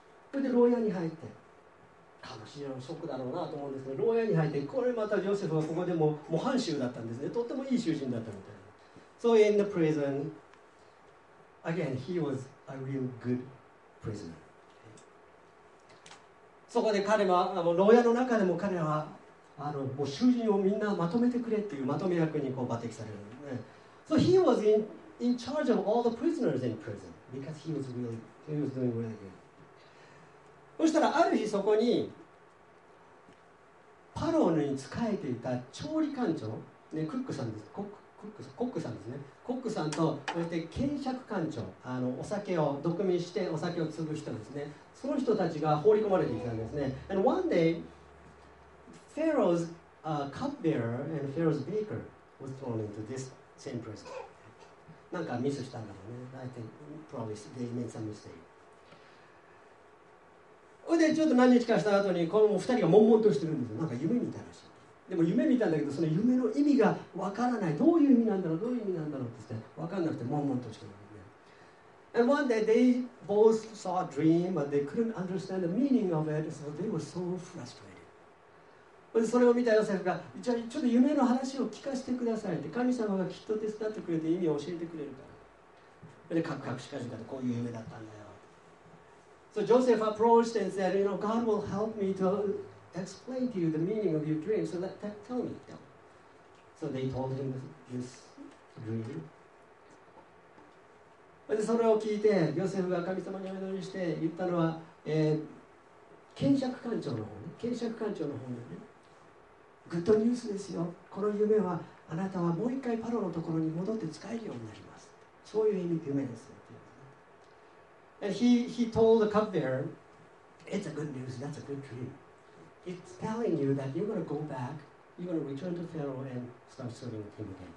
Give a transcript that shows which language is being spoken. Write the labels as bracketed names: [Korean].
[Japanese] それで牢屋に入って、悲しいショックだろうなと思うんですけど、牢屋に入って、これまたジョセフはここでも模範囚だったんですね。とってもいい囚人だったみたいな。 [English] So in the prison, Again, he was a real good prisoner. [Japanese] そこで彼は、牢屋の中でも彼は、もう囚人をみんなまとめてくれっていうまとめ役にこう抜擢される。 [English] So he was in charge of all the prisoners in prison because he was doing really good. [Japanese] そしたらある日そこにパロに仕えていた調理官長、ね、クックさんです。コックさんですね。コックさんとそして検察官長、お酒を毒味してお酒を潰した人ですね。その人たちが放り込まれていたんですね。 [English] And one day, Pharaoh's cupbearer and Pharaoh's baker was thrown into this same prison. [Japanese] なんかミスしたんだろうね。 [English] I think probably they made some mistake. [Japanese] でちょっと何日かした後にこの2人が悶々としてるんですよ。なんか夢見たらしい。でも夢見たんだけど、その夢の意味がわからない。どういう意味なんだろう、どういう意味なんだろうって分かんなくて悶々としてるんですね。 [English] And one day they both saw a dream, but they couldn't understand the meaning of it, so they were so frustrated. [Japanese] それを見たヨセフが、じゃあちょっと夢の話を聞かせてくださいって、神様がきっと手伝ってくれて意味を教えてくれるから。で、カクカクしかじかでこういう夢だったんだよ。 [English] So Joseph approached and said, you know, God will help me to explain to you the meaning of your dream. So tell me. So they told him this dream. But [Japanese] それを聞いて、ヨセフが神様にお祈りして言ったのは、検察官長の方ね。検察官長の方でね。グッドニュースですよ。この夢は、あなたはもう一回パロのところに戻って使えるようになります。そういう意味で夢です。 [English] And he told the cupbearer, it's a good news, that's a good dream. It's telling you that you're going to go back, you're going to return to Pharaoh and start serving him again.